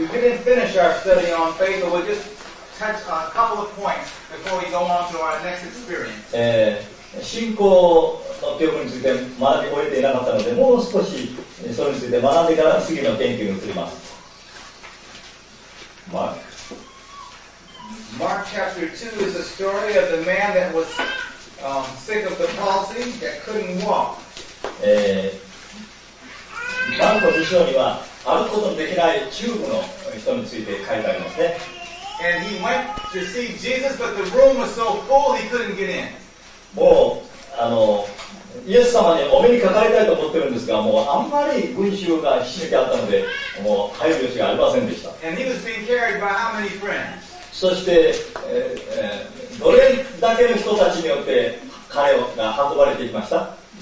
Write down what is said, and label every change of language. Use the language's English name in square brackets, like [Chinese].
[English] We didn't finish our study on faith, but we'll just touch on a couple of points before we go on to our next experience. [Japanese] 信仰の教訓について学び終えていなかったので、もう少しそれについて学んでから次の研究に移ります。 [English] Mark chapter 2 is the story of the man that was sick of the palsy that couldn't walk. [Japanese] マルコ2章には歩くことのできないチューブの人について書いてありますね。 [English] And he went to see Jesus, but the room was so full he couldn't get in. [Japanese] もうイエス様にお目にかかりたいと思ってるんですが、もうあんまり群衆がひしめきあったので、もう入る余地がありませんでした。 [English] And he was being carried by how many friends? [Japanese] そして、どれだけの人たちによって彼が運ばれていきました？